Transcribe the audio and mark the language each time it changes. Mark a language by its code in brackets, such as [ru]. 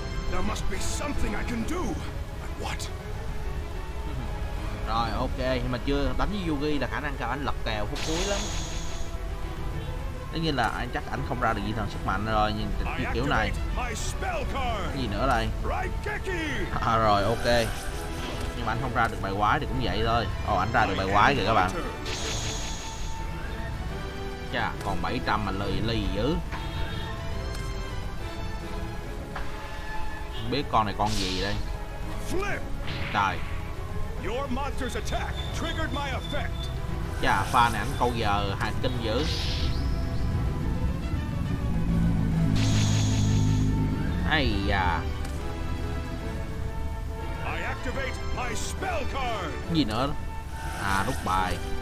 [en] There must be something I can do. But what? [vi] Rồi ok, nhưng mà chưa đánh với Yugi là khả năng cao anh lật kèo phút cuối lắm. Tất nhiên là anh chắc anh không ra được gì thần sức mạnh rồi, nhưng kiểu này cái gì nữa đây. À, rồi ok, nhưng mà anh không ra được bài quái thì cũng vậy thôi. Ồ, anh ra được bài quái rồi các bạn. Chà, còn 700 mà lì lì dữ. Không biết con này con gì đây. Trời, [en] your monster's attack triggered my effect. [vi] Chà, pha này ảnh câu giờ hàng kinh dữ. Ây da, [en] I activate my spell card. [vi] Gì nữa? À, rút bài.